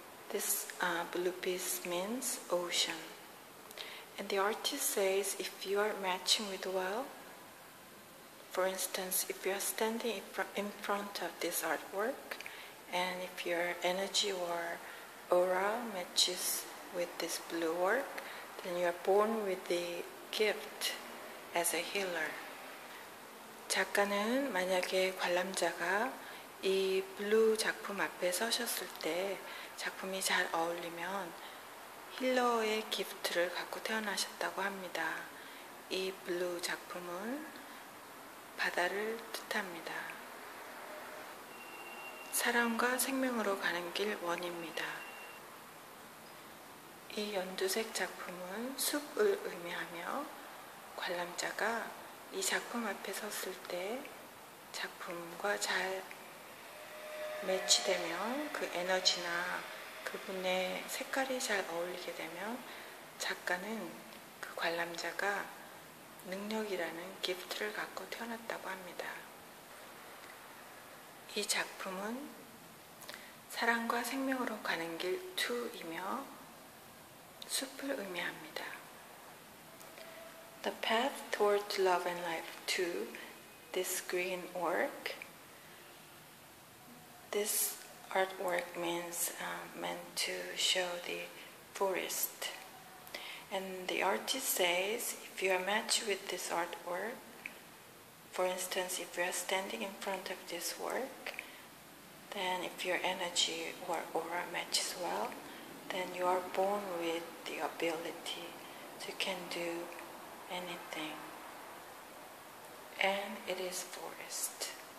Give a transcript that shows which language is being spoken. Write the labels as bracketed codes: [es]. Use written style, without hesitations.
[en] This blue piece means ocean. And the artist says if you are matching with well, for instance, if you are standing in front of this artwork, and if your energy or aura matches with this blue work, then you are born with the gift as a healer. [ko] 작가는 만약에 관람자가 이 블루 작품 앞에 서셨을 때 작품이 잘 어울리면 힐러의 기프트를 갖고 태어나셨다고 합니다. 이 블루 작품은 바다를 뜻합니다. 사랑과 생명으로 가는 길 원입니다. 이 연두색 작품은 숲을 의미하며 관람자가 이 작품 앞에 섰을 때 작품과 잘 매치되면 그 에너지나 그분의 색깔이 잘 어울리게 되면 작가는 그 관람자가 능력이라는 기프트를 갖고 태어났다고 합니다. 이 작품은 사랑과 생명으로 가는 길 2이며 숲을 의미합니다. [en] The Path Toward Love and Life 2, this green work. This artwork means meant to show the forest. And the artist says, if you are matched with this artwork, for instance, if you are standing in front of this work, then if your energy or aura matches well, then you are born with the ability to can do anything, and it is forest.